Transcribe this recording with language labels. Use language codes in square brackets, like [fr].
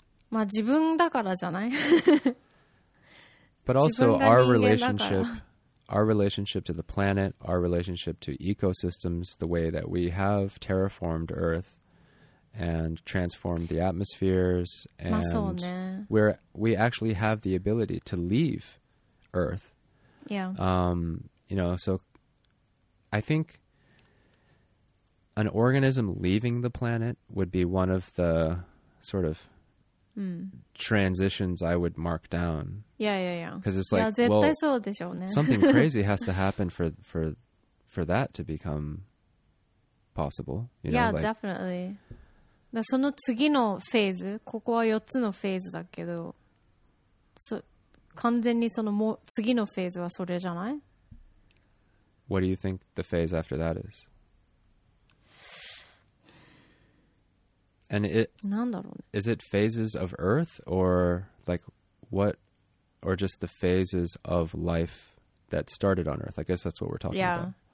[ja] まあ自分だからじゃない? [en] But also our relationship to the planet, our relationship to ecosystems, the way that we have terraformed Earth and transformed the atmospheres, and where we actually have the ability to leave Earth. Yeah. You know, so I think an organism leaving the planet would be one of the sort of transitions I would mark down. Yeah, yeah, yeah. Because it's like, yeah, well, something crazy has to happen for that to become possible. You know, yeah, like, definitely. [ja] だその次のフェーズ、ここは4つのフェーズだけど、完全にそのもう次のフェーズはそれじゃない? [en] What do you think the phase after that is? And it, [ja] なんだろうね。 [en] Is it phases of Earth or like what, or just the phases of life that started on Earth? I guess that's what we're talking about.